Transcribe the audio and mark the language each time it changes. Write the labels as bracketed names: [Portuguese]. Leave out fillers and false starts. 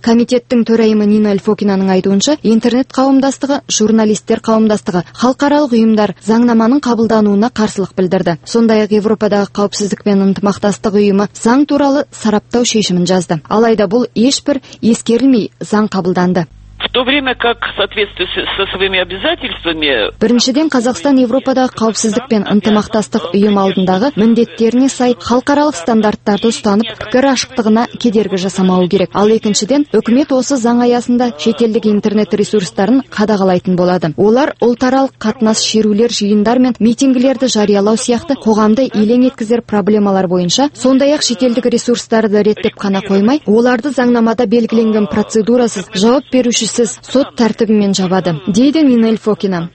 [Kazakh] Комитеттің төрайымы Нина Эльфокинаның айтуынша, интернет қауымдастығы, журналистер қауымдастығы, халықаралық ұйымдар заңнаманың қабылдануына қарсылық білдірді. Сондай-ақ Еуропадағы қауіпсіздік пен ынтымақтастық ұйымы заң туралы сараптау шешімін жазды. Алайда бұл ешбір ескерілмей заң қабылданды. [Russian] В то время как в соответствии со своими обязательствами. [Kazakh] Біріншіден Қазақстан Еуропадағы қауіпсіздік пен ынтымақтастық ұйым алдындағы міндеттеріне сай халықаралық стандарттарды ұстанып, пікір ашықтығына кедергі жасамауы керек. Ал екіншіден үкімет осы заң аясында шетелдік интернет ресурстарын қадағалайтын болады. Олар ұлтаралық қатынас шерулер, жиындар мен митингілерді жариялау сияқты қоғамды елең еткізер проблемалар бойынша, сондай-ақ шетелдік ресурстарды реттеп қана қоймай, оларды заңнамада белгіленген процедурасыз жауап беру сіз сот тәртібімен жабады, дейді Нина Эльфокина.